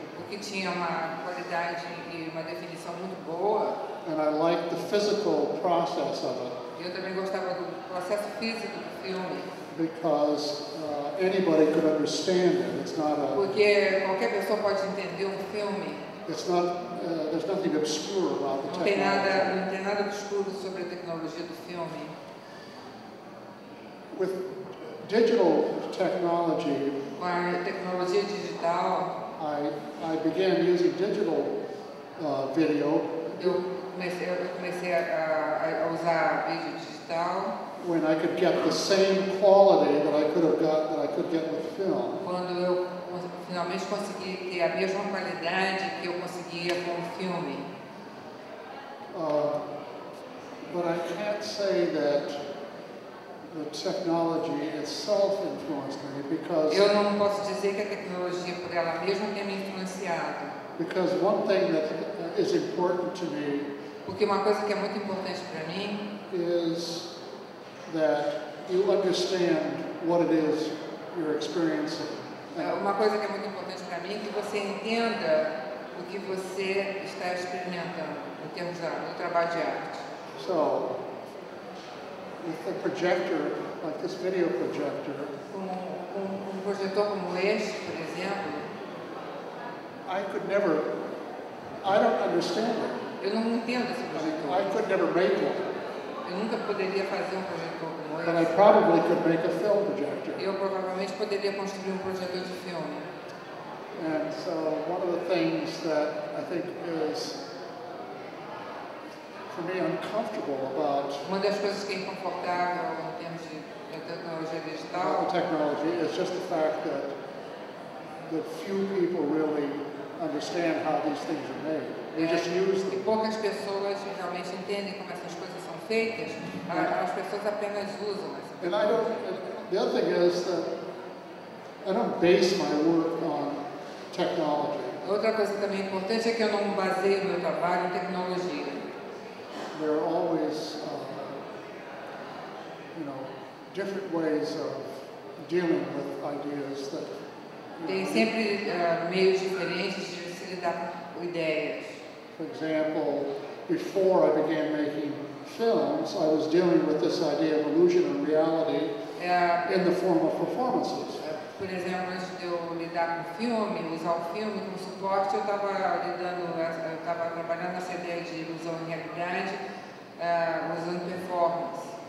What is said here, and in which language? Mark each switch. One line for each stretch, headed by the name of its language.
Portuguese: Porque tinha uma qualidade e uma definição muito boa.
English: And I liked the physical process of it.
Portuguese: Eu também gostava do processo físico do filme.
English: Because anybody could understand it. It's not a.
Portuguese: Porque qualquer pessoa pode entender filme.
English: It's not. There's nothing obscure about the technology.
Portuguese: Não tem nada obscuro sobre a tecnologia do filme.
English: With digital technology,
Portuguese: com a tecnologia digital,
English: I began using digital video.
Portuguese: Eu comecei a usar vídeo digital.
English: When I could get the same quality that I could have got that I could get with film.
Portuguese: Quando eu finalmente consegui ter a mesma qualidade que eu conseguia com o filme.
English: But I can't say that the technology itself influenced me because.
Portuguese: Eu não posso dizer que a tecnologia por ela mesma tenha me influenciado.
English: Because one thing that is important to me.
Portuguese: Porque uma coisa que é muito importante para mim.
English: Is that you understand what it is you're experiencing.
Portuguese: Uma coisa que é muito importante para mim é que você entenda o que você está experimentando em termos do trabalho de arte.
English: So, with a projector, like this video projector,
Portuguese: um projetor como este, por exemplo,
English: I don't understand it.
Portuguese: Eu não entendo esse projetor.
English: I could never make one.
Portuguese: Eu nunca poderia fazer um projetor como esse.
English: But I probably could make a film projector.
Portuguese: Eu provavelmente poderia construir projetor de filme.
English: And so one of the things that I think is for me uncomfortable about
Portuguese: uma das coisas que é inconfortável em termos de tecnologia digital,
English: the technology is just the fact that few people really understand how these things are made.
Portuguese: E poucas pessoas realmente entendem como essas coisas são feitas. As pessoas apenas usam.
English: And I don't. The other thing is that I don't base my work on technology.
Portuguese: Outra coisa também importante é que eu não baseio meu trabalho em tecnologia.
English: There are always, you know, different ways of dealing with ideas that.
Portuguese: Tem sempre meios diferentes de se lidar com ideias.
English: For example, before I began making films, I was dealing with this idea of illusion and reality in the form of performances.
Portuguese: Por exemplo, antes de eu lidar com o filme, usar o filme como suporte, eu estava trabalhando essa ideia de ilusão e realidade, usando performance.